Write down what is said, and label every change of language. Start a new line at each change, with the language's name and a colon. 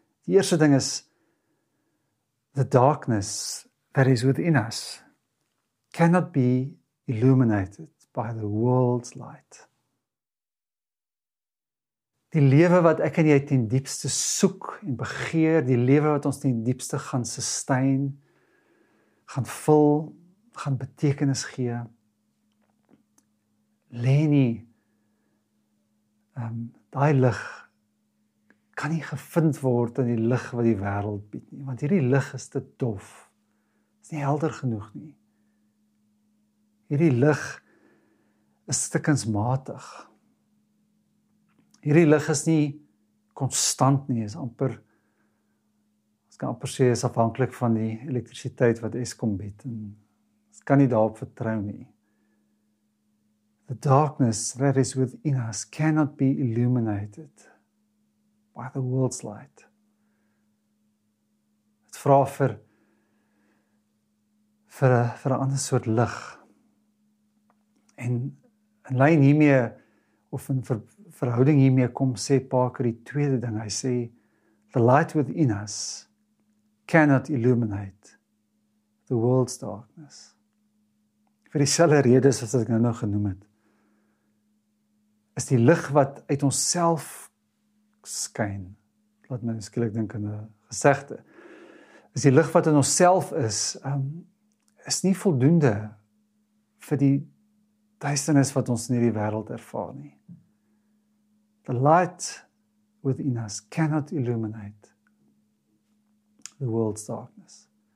Afrikaans: Die eerste ding is,
English: the darkness that is within us cannot be illuminated by the world's light.
Afrikaans: Die lewe wat ek en jy ten diepste soek en begeer, die lewe wat ons ten diepste gaan sustain, gaan vul, gaan betekenis gee, Leni, daai lig kan nie gevind word in die lig wat die wêreld bied nie, want hierdie lig is te dof. Is nie helder genoeg nie. Hierdie lig is te kunsmatig. Hierdie lig is nie konstant nie, is amper, ons kan amper sê, is afhanklik van die elektrisiteit wat Eskom bied. Ons kan nie daarop vertrou nie.
English: The darkness that is within us cannot be illuminated by the world's light.
Afrikaans: vra vir 'n ander soort lig. En in lyn hiermee of in verhouding hiermee kom sê Parker die tweede ding. Hy sê
English: the light within us cannot illuminate the world's darkness.
Afrikaans: Vir dieselfde redes as wat ek nou genoem het, is die lig wat uit onsself skyn, laat my skielik dink aan 'n gesegde, is die lig wat in onsself is, is nie voldoende vir die duisternis wat ons in hierdie wêreld ervaar nie.
English: The light within us cannot illuminate the world's darkness.